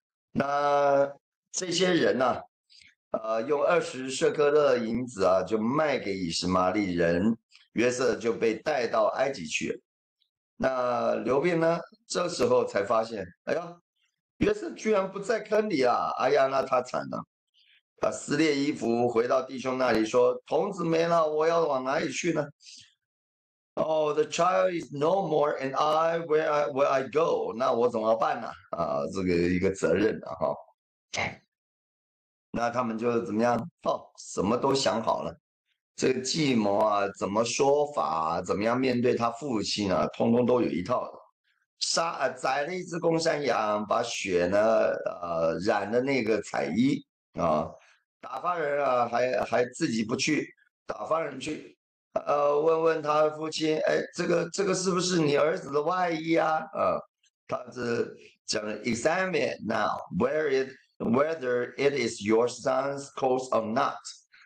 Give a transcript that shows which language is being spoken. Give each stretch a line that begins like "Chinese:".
Chinese: 那这些人呢，用20舍克勒银子啊，就卖给以实玛利人，约瑟就被带到埃及去。那刘辩呢，这时候才发现，哎呀，约瑟居然不在坑里啊，哎呀，那他惨了。他撕裂衣服回到弟兄那里说，童子没了，我要往哪里去呢？
English: Oh, the child is no more and I, where I go,
Chinese: 那我怎么办呢？这个一个责任啊。哦，那他们就怎么样，什么都想好了。这个计谋啊，怎么说法啊，怎么样面对他父亲啊，通通都有一套的。宰了一只公山羊，把血呢染了那个彩衣啊，打发人啊，还自己不去，打发人去问他父亲，哎，这个是不是你儿子的外衣啊，他是讲
English: examine now whether it is your son's clothes or not。